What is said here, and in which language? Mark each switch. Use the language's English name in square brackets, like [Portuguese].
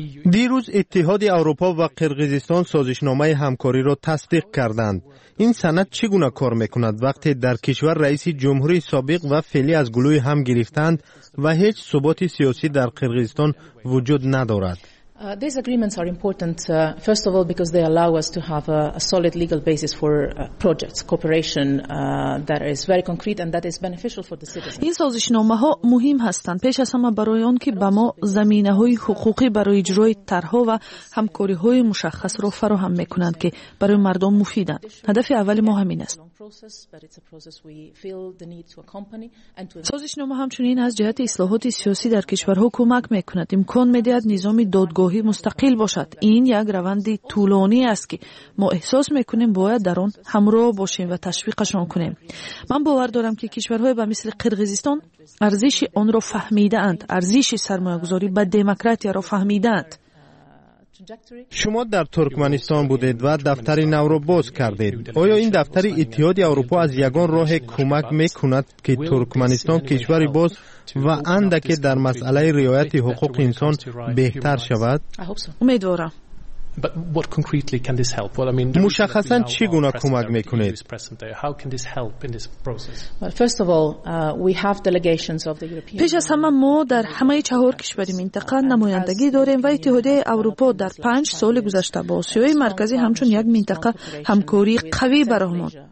[Persian] دیروز اتحاد اروپا و قرقیزستان سازشنامه همکاری را تصدیق کردند. این سند چگونه کار میکند وقتی در کشور رئیس جمهوری سابق و فعلی از گلوی هم گرفتند و هیچ ثبات سیاسی در قرقیزستان وجود ندارد؟ [English] These agreements are important, first of all, because they allow us to have a solid legal basis for projects, cooperation that is very concrete and that is beneficial for the citizens. [Persian] این سازشنامه‌ها مهم هستند. پیش از همه برای آن که به ما زمینه‌های حقوقی برای اجرای طرح‌ها و همکاری‌های مشخص را فراهم می‌کنند که برای مردم مفیدند. هدف اول ما همین است. سازشنامه همچنین از جهت اصلاحات سیاسی در کشورها کمک می‌کند. امکان می‌دهد نظام دادگاهی مستقل باشد. این یک روند طولانی است که ما احساس میکنیم باید در آن همراه باشیم و تشویقشان کنیم. من باور دارم که کشورهای به مثل قرقیزستان ارزش آن را فهمیده اند، ارزش سرمایه‌گذاری به دموکراسی را فهمیده اند. شما در ترکمنستان بودید و دفتر نو را باز کردید. آیا این دفتر اتحاد اروپا از یگان راه کمک میکند که ترکمنستان کشوری باز و اندک در مسئله رعایت حقوق انسان بهتر شود؟ امیدوارم. [English] But what concretely can this help? Well, I mean, [Persian] مشخصاً چی گونه کمک میکنید؟ [English] How can this help in this process? Well, first of all, we have delegations of the European. [Persian] پیش از همه ما در همه چهار کشور منطقه نمایندگی داریم و اتحادیه اروپا در 5 سال گذشته با آسیای مرکزی همچون یک منطقه همکاری قوی برامون.